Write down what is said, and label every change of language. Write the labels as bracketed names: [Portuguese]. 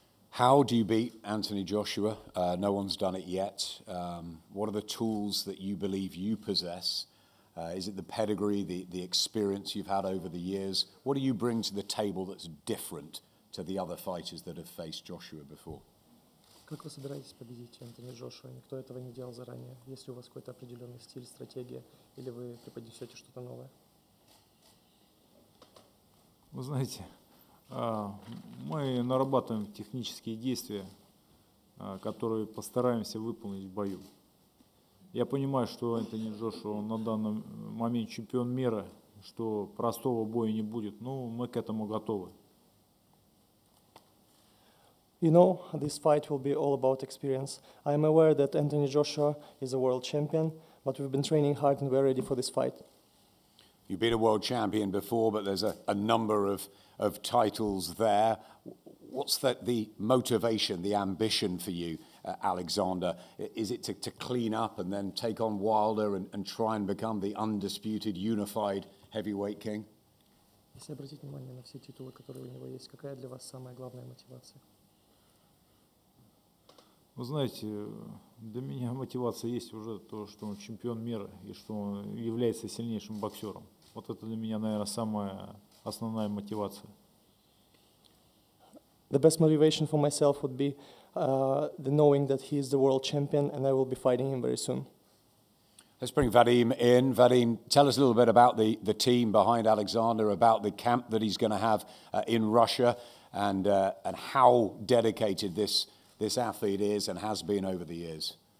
[English] How do you beat Antony Joshua? No one's done it yet. What are the tools that you believe you possess? Is it the pedigree, the experience you've had over the years? What do you bring to the table that's different to the other fighters that have faced Joshua before? [Russian] Как вы собираетесь победить Антони Джошуа? Никто этого не делал заранее. Есть ли у вас какой-то определенный стиль, стратегия, или вы преподнесете что-то новое? Вы знаете, мы нарабатываем технические действия, которые постараемся выполнить в бою. Я понимаю, что Антони Джошуа на данный момент чемпион мира, что простого боя не будет, но мы к этому готовы. [English] You know, this fight will be all about experience. I am aware that Antony Joshua is a world champion, but we've been training hard and we're ready for this fight. You've been a world champion before, but there's a number of titles there. What's the motivation, the ambition for you, Alexander? Is it to clean up and then take on Wilder and try and become the undisputed, unified heavyweight king? [Russian] Если обратить внимание на все титулы, которые у него есть, какая для вас самая главная мотивация? Вы знаете, для меня мотивация есть уже то, что он чемпион мира и что он является сильнейшим боксером. Вот это для меня, наверное, самая основная мотивация. [English] The best motivation for myself would be the knowing that he is the world champion and I will be fighting him very soon. Let's bring Vadim in. Vadim, tell us a little bit about the team behind Alexander, about the camp that he's going to have in Russia and how dedicated this athlete is and has been over the years.